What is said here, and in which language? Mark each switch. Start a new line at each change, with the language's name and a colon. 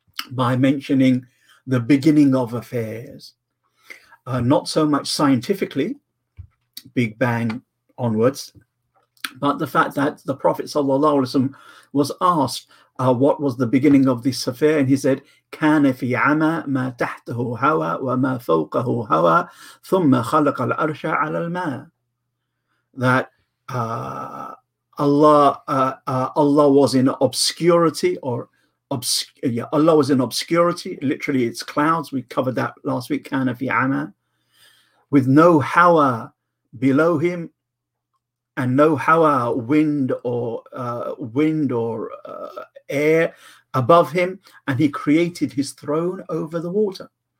English: by mentioning the beginning of affairs, not so much scientifically, Big Bang onwards, but the fact that the Prophet sallallahu alaihi wasallam was asked, what was the beginning of this affair?
Arabic: And he said, كان في عما ما تحته هوى وما فوقه هوى ثم خلق الأرش على الماء.
English: That Allah was in obscurity, Allah was in obscurity. Literally, it's clouds. We covered that last week.
Arabic: كان في عما,
English: with no هوى below him, and no هوى, wind or air above him, and he created his throne over the water.